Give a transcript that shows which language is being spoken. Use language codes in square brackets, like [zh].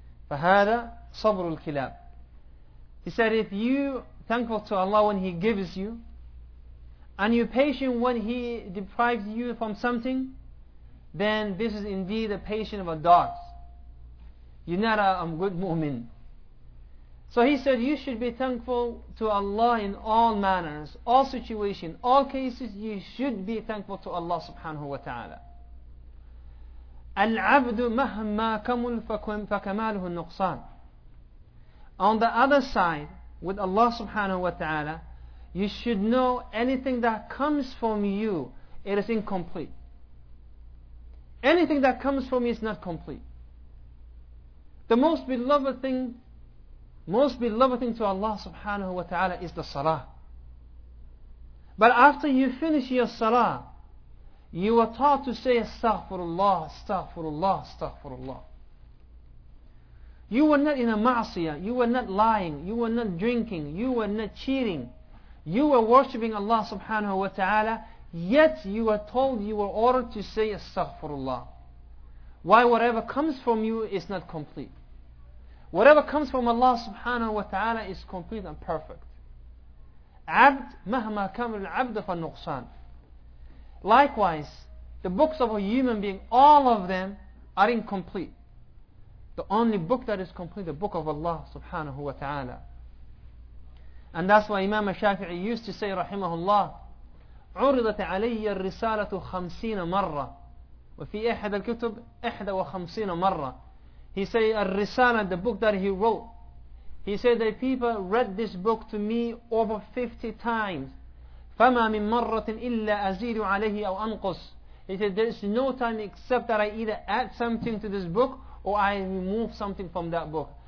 [ar] فَهَذَا صَبْرُ الْكِلَابِ. [en] He said, if you thankful to Allah when He gives you and you're patient when He deprives you from something, then this is indeed the patience of a dog. You're not a good mu'min. So he said, you should be thankful to Allah in all manners, all situations, all cases, you should be thankful to Allah subhanahu wa ta'ala. [ar] العبد مهما كمل فكماله النقصان. [en] On the other side, with Allah subhanahu wa ta'ala, you should know anything that comes from you, it is incomplete. Anything that comes from you is not complete. The most beloved thing to Allah subhanahu wa ta'ala is the salah. But after you finish your salah, you are taught to say astaghfirullah, astaghfirullah, astaghfirullah. You were not in a ma'asiyah, you were not lying, you were not drinking, you were not cheating. You were worshipping Allah subhanahu wa ta'ala, yet you were told, you were ordered to say astaghfirullah. Why? Whatever comes from you is not complete. Whatever comes from Allah subhanahu wa ta'ala is complete and perfect. [ar] عبد مهما كمل العبد فالنقصان. [en] Likewise, the books of a human being, all of them are incomplete. The only book that is complete, the book of Allah subhanahu wa ta'ala. And that's why Imam Shafi'i used to say, rahimahullah, [ar] عُرِضَتْ عَلَيَّ الرِّسَالَةُ خَمْسِينَ مَرَّةً وَفِي أَحَدَ الْكُتُبِ أَحْدَ وَخَمْسِينَ مَرَّةً. [en] He say, الرِّسَالَةُ, the book that he wrote, he said that people read this book to me over 50 times. [ar] فَمَا مِن مَرَّةٍ إِلَّا أَزِيدُ عَلَيْهِ أَوْ أَنْقُصُ. [en] He said, there is no time except that I either add something to this book or I remove something from that book.